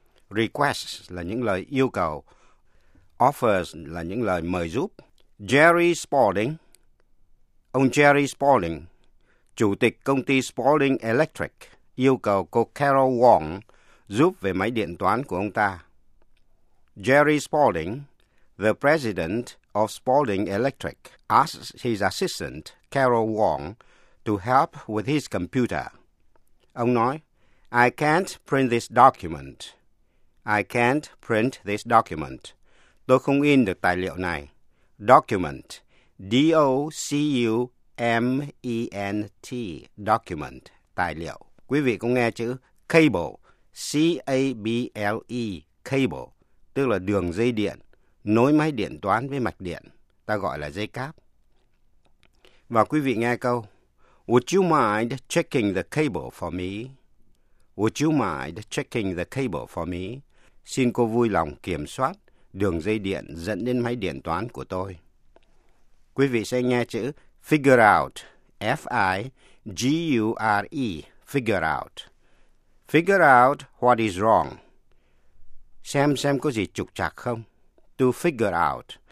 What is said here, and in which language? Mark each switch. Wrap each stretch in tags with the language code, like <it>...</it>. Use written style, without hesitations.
<vi>Requests là những lời yêu cầu. Offers là những lời mời giúp. Jerry Spalding. Ông Jerry Spalding, chủ tịch công ty Spalding Electric, yêu cầu cô Carol Wong giúp về máy điện toán của ông ta.</vi> <en>Jerry Spalding, the president of Spalding Electric, asks his assistant, Carol Wong, to help with his computer.</en> <vi>Ông nói,</vi> <en>I can't print this document. I can't print this document.</en> <vi>Tôi không in được tài liệu này. Document, D-O-C-U-M-E-N-T, document, tài liệu. Quý vị cũng nghe chữ cable, C-A-B-L-E, cable, tức là đường dây điện, nối máy điện toán với mạch điện, ta gọi là dây cáp. Và quý vị nghe câu,</vi> <en>would you mind checking the cable for me? Would you mind checking the cable for me?</en> <vi>Xin cô vui lòng kiểm soát đường dây điện dẫn đến máy điện toán của tôi. Quý vị sẽ nghe chữ figure out, F-I-G-U-R-E, figure out.</vi> <en>Figure out what is wrong.</en> <vi>Xem có gì trục trặc không.</vi> <en>To figure out.</en>